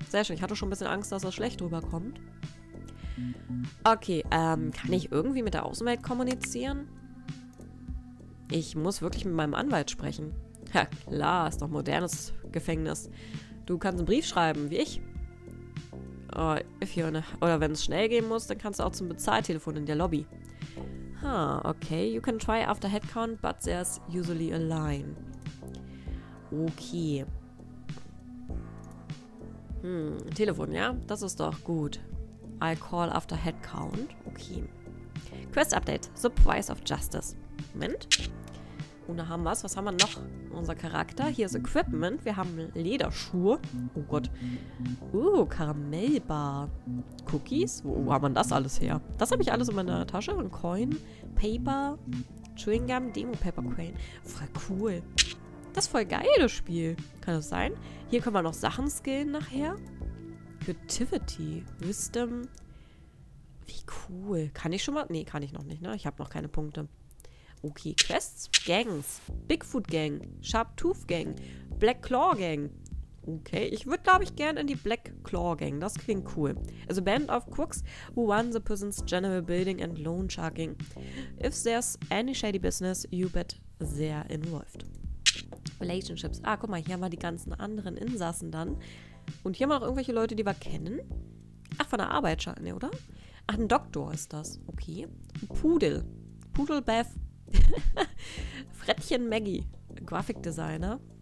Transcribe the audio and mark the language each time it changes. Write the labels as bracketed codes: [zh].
[de] Sehr schön, ich hatte schon ein bisschen Angst, dass er schlecht rüberkommt. Okay, kann ich irgendwie mit der Außenwelt kommunizieren? Ich muss wirklich mit meinem Anwalt sprechen. Ja, klar, ist doch modernes Gefängnis. Du kannst einen Brief schreiben, wie ich. Oder wenn es schnell gehen muss, dann kannst du auch zum Bezahltelefon in der Lobby. Huh, okay. [en] You can try after headcount, but there's usually a line. Okay. [de] Telefon, ja? Das ist doch gut. [en] I call after headcount. [de] Okay. Quest Update. The Price of Justice. Moment. Und da haben wir es. Was haben wir noch? Unser Charakter. Hier ist Equipment. Wir haben Lederschuhe. Oh Gott. Karamellbar. Cookies. Wo haben wir das alles her? Das habe ich alles in meiner Tasche. Ein Coin. Paper. Chewing Gum. Demo Paper Crane. Voll cool. Das ist voll geil, das Spiel. Kann das sein? Hier können wir noch Sachen skillen nachher. Creativity. Wisdom. Wie cool. Kann ich schon mal? Nee, kann ich noch nicht. Ne? Ich habe noch keine Punkte. [en] Okay, Quests, Gangs, Bigfoot Gang, Sharp Tooth Gang, Black Claw Gang. [de] Okay, ich würde, glaube ich, gerne in die Black Claw Gang. Das klingt cool. [en] As a band of crooks who run the prison's general building and loan sharking. If there's any shady business, you bet they're involved. Relationships. [de] Ah, guck mal, hier haben wir die ganzen anderen Insassen dann. Und hier haben wir noch irgendwelche Leute, die wir kennen. Ach, von der Arbeit schon, ne, oder? Ach, ein Doktor ist das. Okay. Pudel. Pudel Beth. Frettchen Maggie. Grafikdesigner.